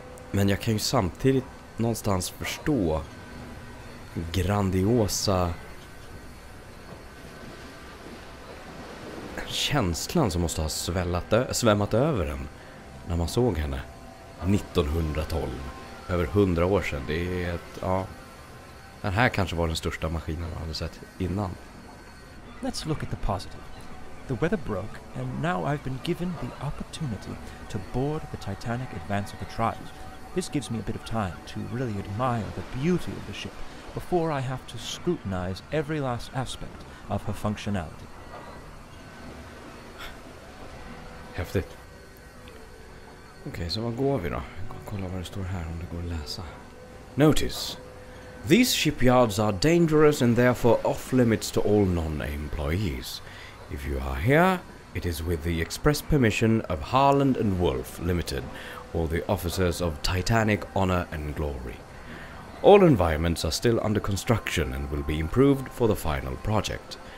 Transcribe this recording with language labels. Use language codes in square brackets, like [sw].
[sv] Men jag kan ju samtidigt någonstans förstå grandiosa känslan som måste ha svämmat över den när man såg henne 1912. Över 100 år sedan. Det är ett, ja. Den här kanske var den största maskinen man hade sett innan. [en] Let's look at the positive. The weather broke and now I've been given the opportunity to board the Titanic Advance of the Trials. This gives me a bit of time to really admire the beauty of the ship before I have to scrutinize every last aspect of her functionality. [sv] Häftigt. Okej, så vad går vi då? Kolla vad det står här om det går att läsa. [en] Notice. These shipyards are dangerous and therefore off limits to all non-employees. If you are here, it is with the express permission of Harland and Wolf Limited, or the officers of Titanic Honor and Glory. All environments are still under construction and will be improved for the final project.